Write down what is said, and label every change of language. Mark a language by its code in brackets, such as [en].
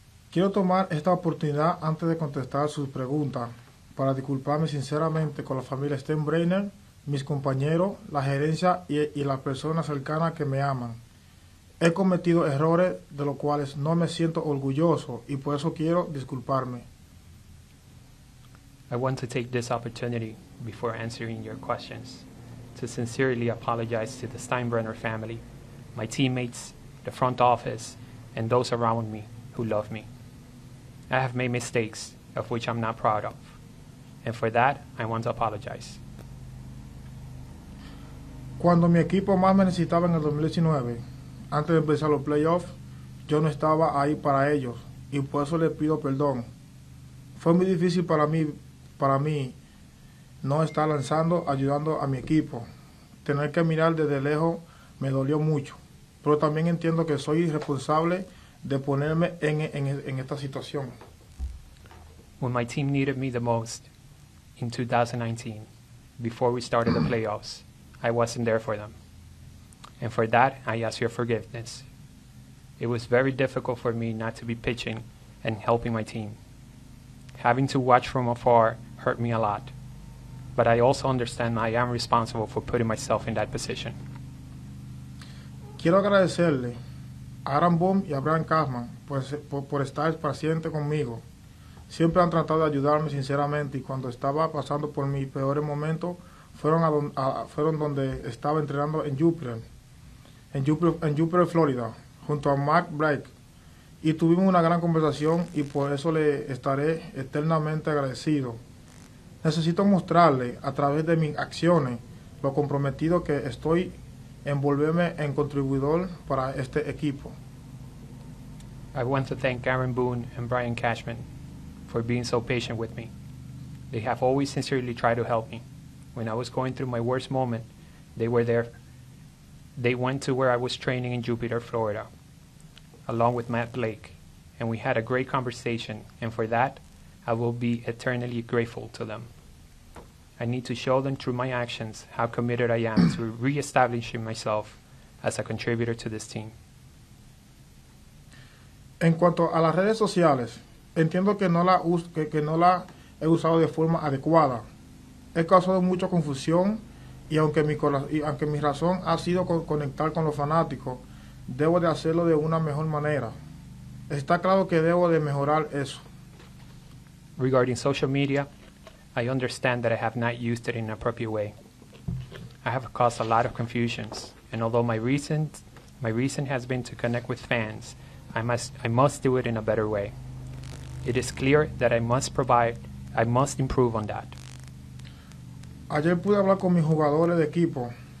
[es] Quiero tomar esta oportunidad antes de contestar sus preguntas para disculparme sinceramente con la familia Steinbrenner, mis compañeros, la gerencia y las personas cercanas que me aman. He cometido errores de los cuales no me siento orgulloso y por eso quiero disculparme. [en] I want to take this opportunity, before answering your questions, to sincerely apologize to the Steinbrenner family, my teammates, the front office, and those around me who love me. I have made mistakes of which I'm not proud of, and for that, I want to apologize. [es] Cuando mi equipo más me necesitaba en el 2019, antes de empezar los playoffs, yo no estaba ahí para ellos y por eso les pido perdón. Fue muy difícil para mí no estar lanzando, ayudando a mi equipo. Tener que mirar desde lejos me dolió mucho, pero también entiendo que soy irresponsable de ponerme en esta situación. [en] When my team needed me the most in 2019, before we started the playoffs, I wasn't there for them. And for that, I ask your forgiveness. It was very difficult for me not to be pitching and helping my team. Having to watch from afar hurt me a lot, but I also understand I am responsible for putting myself in that position. [es] Quiero agradecerle a Aaron Boone y a Brian Cashman por estar paciente conmigo. Siempre han tratado de ayudarme sinceramente y cuando estaba pasando por mi peor momento fueron donde estaba entrenando en Jupiter, en Jupiter, Florida, junto a Mark Blake. Y tuvimos una gran conversación y por eso le estaré eternamente agradecido. Necesito mostrarle a través de mis acciones lo comprometido que estoy envolverme en contribuidor para este equipo. [en] I want to thank Aaron Boone and Brian Cashman for being so patient with me. They have always sincerely tried to help me. When I was going through my worst moment, they were there. They went to where I was training in Jupiter, Florida, along with Matt Blake, and we had a great conversation, and for that, I will be eternally grateful to them. I need to show them through my actions how committed I am to reestablishing myself as a contributor to this team. [es] En cuanto a las redes sociales, entiendo que no la he usado de forma adecuada. He causado mucha confusión y aunque mi razón ha sido conectar con los fanáticos, debo de hacerlo de una mejor manera. Está claro que debo de mejorar eso. [en] Regarding social media, I understand that I have not used it in an appropriate way. I have caused a lot of confusions, and although my reason has been to connect with fans, I must do it in a better way. It is clear that I must improve on that. [es] Ayer pude hablar con mis jugadores de equipo.